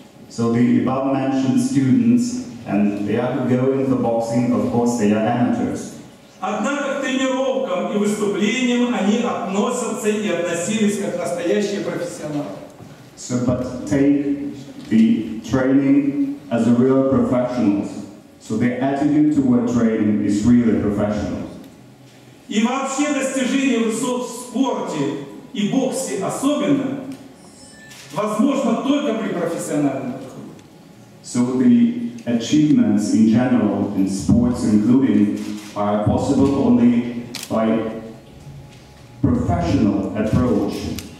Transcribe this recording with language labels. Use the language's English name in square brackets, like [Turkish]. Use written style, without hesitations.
[English] So the above mentioned students and they are going for boxing, of course, they are amateurs. [Russian] Однако к тренировкам и выступлениям они относятся и относились как настоящие профессионалы. [English] So, but take the training as a real professional. So their attitude toward training is really professional. [Russian] И вообще достижения высот в спорте и боксе особенно возможно только при профессиональном подходе. [English] So the achievements in general in sports including are possible only by professional approach.